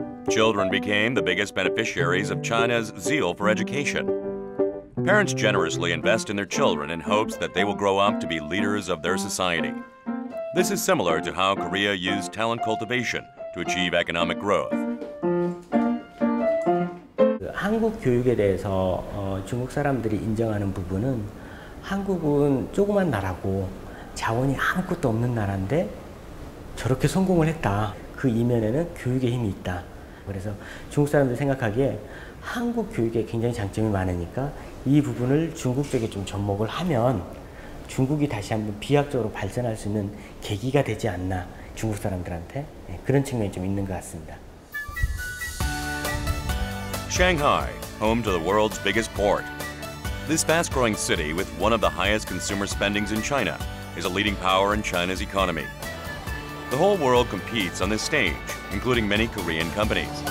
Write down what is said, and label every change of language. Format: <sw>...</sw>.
<en>Children became the biggest beneficiaries of China's zeal for education. Parents generously invest in their children in hopes that they will grow up to be leaders of their society. This is similar to how Korea used talent cultivation to achieve economic growth.</en> <ko>한국 교육에 대해서 중국 사람들이 인정하는 부분은 한국은 조그만 나라고 자원이 아무것도 없는 나라인데 저렇게 성공을 했다. 그 이면에는 교육의 힘이 있다. 그래서 중국 사람들 생각하기에 한국 교육에 굉장히 장점이 많으니까 이 부분을 중국 쪽에 좀 접목을 하면 중국이 다시 한번 비약적으로 발전할 수 있는 계기가 되지 않나 중국 사람들한테 네, 그런 측면이 좀 있는 것 같습니다.</ko> <en>Shanghai, home to the world's biggest port. This fast-growing city with one of the highest consumer spendings in China is a leading power in China's economy. The whole world competes on this stage. Including many Korean companies.</en>